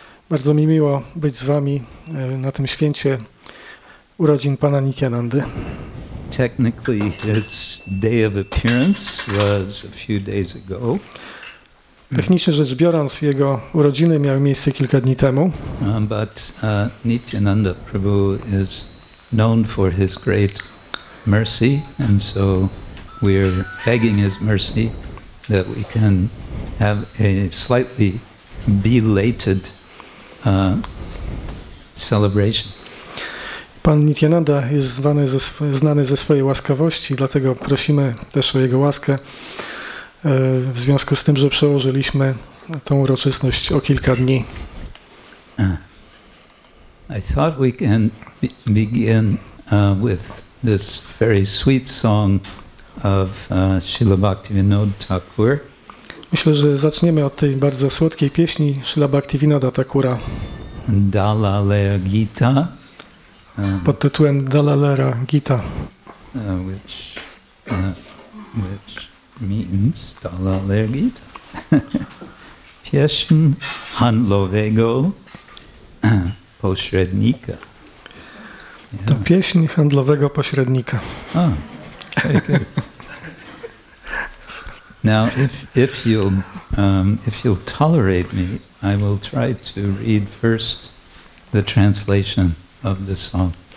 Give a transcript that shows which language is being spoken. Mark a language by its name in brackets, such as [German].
[Polish] Bardzo mi miło być z wami na tym święcie urodzin Pana Nityanandy. [English] Technically, his day of appearance was a few days ago. [Polish] Technicznie rzecz biorąc, jego urodziny miały miejsce kilka dni temu. [English] But Nityananda Prabhu is known for his great mercy, and so we are begging his mercy that we can have a slightly belated celebration. [Polish] Pan Nityananda jest znany ze swojej łaskawości, dlatego prosimy też o jego łaskę w związku z tym, że przełożyliśmy tą uroczystość o kilka dni. [English] I thought we can begin with this very sweet song of Śrīla Bhaktivinoda Thakura. [Polish] Myślę, że zaczniemy od tej bardzo słodkiej pieśni Śrīla Bhaktivinoda Thakura. [Bangla] Dalalera Gita. [Polish] Pod tytułem Dalalera Gita. [English] Which means Dalalera Gita. [Polish] Pieśń handlowego pośrednika. [English] Yeah. [Polish] To pieśń handlowego pośrednika. [English] Now, if you'll tolerate me, I will try to read first the translation of the song.